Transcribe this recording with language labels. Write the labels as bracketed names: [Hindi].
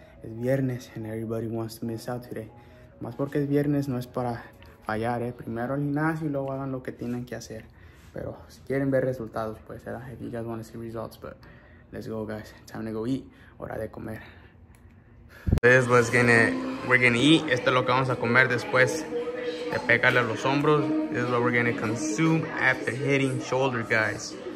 [Spanish] Es viernes [English] and everybody wants to miss out today. [Spanish] Más porque es viernes, no es para fallar, eh. Primero al gimnasio y luego hagan lo que tienen que hacer. Pero si quieren ver resultados, pues será. [English] If you guys want to see results, but let's go, guys. Time to go eat. [Spanish] Hora de comer. [English] This is what's gonna, we're gonna eat. [Spanish] Esto es lo que vamos a comer después de pegarle a los hombros. [English] This is what we're gonna consume after hitting shoulder, guys.